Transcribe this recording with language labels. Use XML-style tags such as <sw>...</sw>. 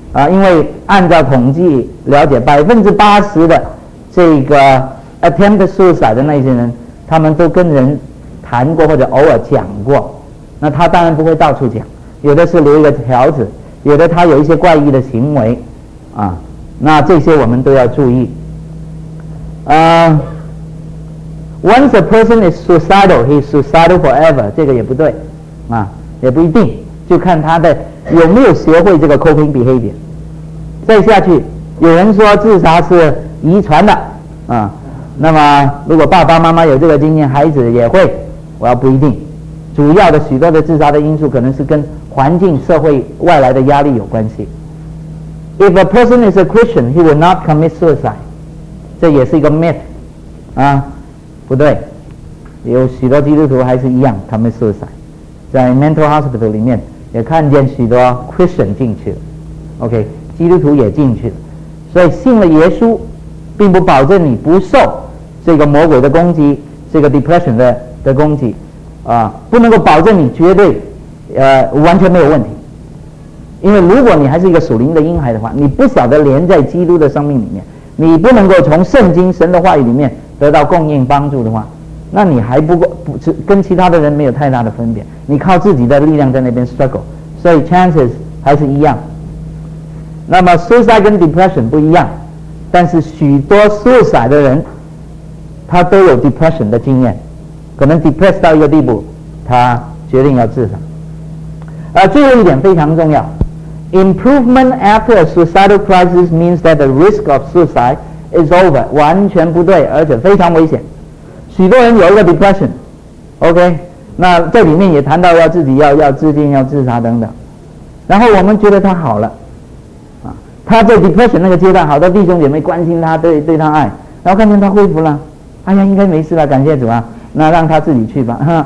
<zh>因为按照统计了解，80%的这个</zh> <en>attempt suicide</en> <zh>的那些人，他们都跟人谈过或者偶尔讲过，那他当然不会到处讲，有的是留一个条子，有的他有一些怪异的行为啊，那这些我们都要注意。</zh> <en>Once a person is suicidal, he is suicidal forever，</en> <zh>这个也不对啊，也不一定，就看他的有没有学会这个 coping behavior。再下去，有人说自杀是遗传的啊，那么如果爸爸妈妈有这个经验，孩子也会，我要不一定，主要的许多的自杀的因素可能是跟环境、社会外来的压力有关系。</zh> <en>If a person is a Christian, he will not commit suicide，</en> <zh>这也是一个 myth 啊，不对，有许多基督徒还是一样</zh> <en>commit suicide。</en> <zh>在</zh> <en>mental hospital</en> <zh>里面也看见许多 Christian 进去了， OK， 基督徒也进去了。所以信了耶稣并不保证你不受这个魔鬼的攻击，这个 depression 的攻击啊，不能够保证你绝对完全没有问题。因为如果你还是一个属灵的婴孩的话，你不晓得连在基督的生命里面，你不能够从圣经神的话语里面得到供应帮助的话，那你还不跟其他的人没有太大的分别，你靠自己的力量在那边 struggle， 所以 chances 还是一样。那么 suicide 跟 depression 不一样，但是许多 suicide 的人他都有 depression 的经验，可能 depressed 到一个地步他决定要自杀。</zh> <en>最后一点非常重要， improvement after a suicidal crisis means that the risk of suicide is over，</en> <zh>完全不对，而且非常危险。许多人有一个 depression， OK， 那这里面也谈到要自己要自尽、要自杀等等，然后我们觉得他好了，他在 depression 那个阶段，好多弟兄姐妹关心他，对他爱，然后看见他恢复了，哎呀应该没事了，感谢主啊，那让他自己去吧。</zh>